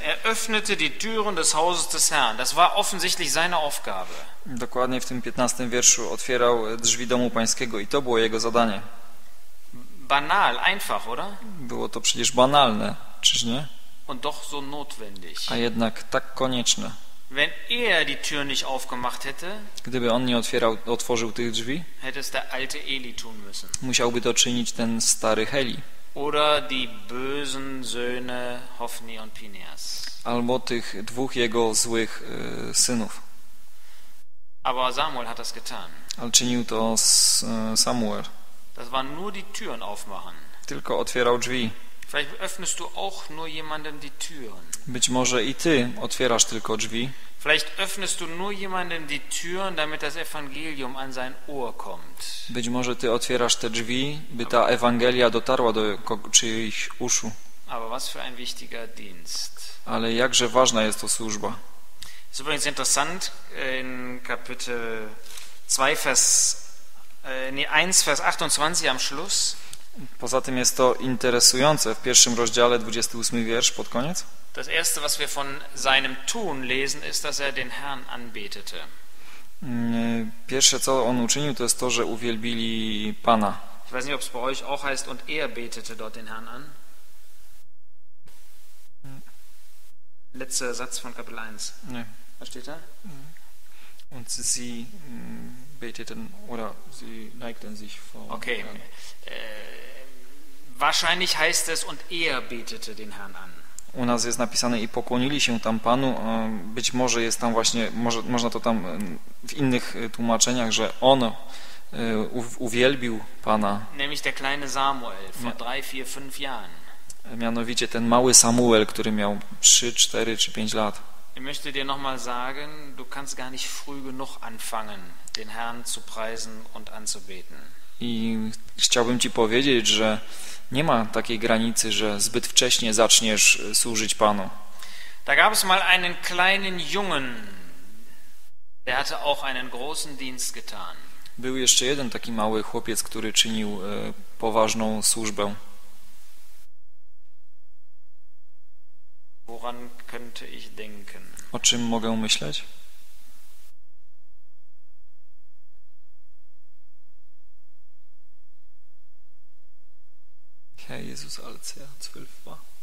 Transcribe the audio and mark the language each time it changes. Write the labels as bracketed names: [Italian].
[German] Er öffnete die Türen des Hauses des Herrn. Das war offensichtlich seine Aufgabe. [Polish] Dokładnie w tym 15. Wierszu otwierał drzwi domu pańskiego i to było jego zadanie. [German] Banal, einfach, oder? [Polish] Było to przecież banalne, czyż nie? [German] Und doch so notwendig. [Polish] A jednak tak konieczne. [German] Wenn er die Tür nicht aufgemacht hätte, [Polish] gdyby on nie otwierał, otworzył tych drzwi, [German] hätte es der alte Eli tun müssen. [Polish] Musiałby to czynić ten stary Heli. [German] Oder die bösen Söhne Hofni und Phineas. [Polish] Albo tych dwóch jego złych synów. [German] Aber Samuel hat das getan. [Polish] Ale czynił to Samuel. [German] Das waren nur die Türen aufmachen. [Polish] Tylko otwierał drzwi. [German] Vielleicht öffnest du auch nur jemandem die Türen. [Polish] Być może i ty otwierasz tylko drzwi. [German] Vielleicht öffnest du nur jemandem die Türen, damit das Evangelium an sein Ohr kommt. [Polish] Być może ty otwierasz te drzwi, by ta Ewangelia dotarła do czyichś uszu. [German] Aber was für ein wichtiger Dienst. [Polish] Ale jakże ważna jest to służba. [German] Es ist übrigens interessant, in Kapitel 2, Vers 1, Vers 28 am Schluss. [Polish] Poza tym jest to interesujące w pierwszym rozdziale 28 wiersz pod koniec. [German] Das erste, was wir von seinem Tun lesen, ist, dass er den Herrn anbetete. [Polish] Pierwsze, co on uczynił, to jest to, że uwielbili Pana. [German] Ich weiß nicht, ob es bei euch auch heißt, und er betete dort den Herrn an. Letzter Satz von Kapitel 1. Nee. Was steht da? Und sie beteten oder sie neigten sich vor. Okay. Wahrscheinlich heißt es, und er betete den Herrn an. [Polish] U nas jest napisane i pokłonili się tam Panu. Być może jest tam właśnie, może, można to tam w innych tłumaczeniach, że on uwielbił Pana. [German] Nämlich der kleine Samuel vor 3, 4, 5 Jahren. [Polish] Mianowicie ten mały Samuel, który miał 3, 4 czy 5 lat. [German] Ich möchte dir nochmal sagen, du kannst gar nicht früh genug anfangen, den Herrn zu preisen und anzubeten. [Polish] I chciałbym ci powiedzieć, że nie ma takiej granicy, że zbyt wcześnie zaczniesz służyć Panu. [German] Da gab es mal einen kleinen Jungen, der hatte auch einen großen Dienst getan. [Polish] Był jeszcze jeden taki mały chłopiec, który czynił poważną służbę. [German] Woran könnte ich denken? [Polish] O czym mogę myśleć? [German] Herr Jesus, als er 12 war.